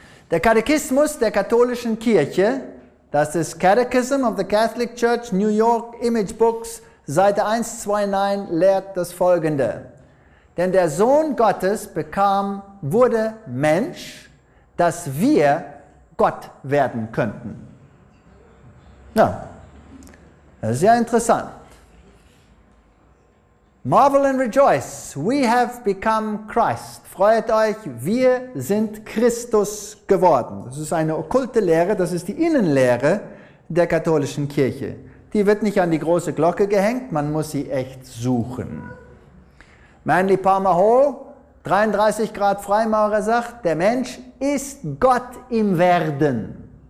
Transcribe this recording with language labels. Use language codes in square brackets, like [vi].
[de] Der Katechismus der katholischen Kirche, das ist Catechism of the Catholic Church, New York, Image Books, Seite 129, lehrt das folgende. Denn der Sohn Gottes wurde Mensch, dass wir Gott werden könnten. Ja, das ist ja interessant. [en] Marvel and rejoice, we have become Christ. [de] Freut euch, wir sind Christus geworden. Das ist eine okkulte Lehre, das ist die Innenlehre der katholischen Kirche. Die wird nicht an die große Glocke gehängt, man muss sie echt suchen. Manly Palmer Hall, 33 Grad Freimaurer, sagt, der Mensch ist Gott im Werden.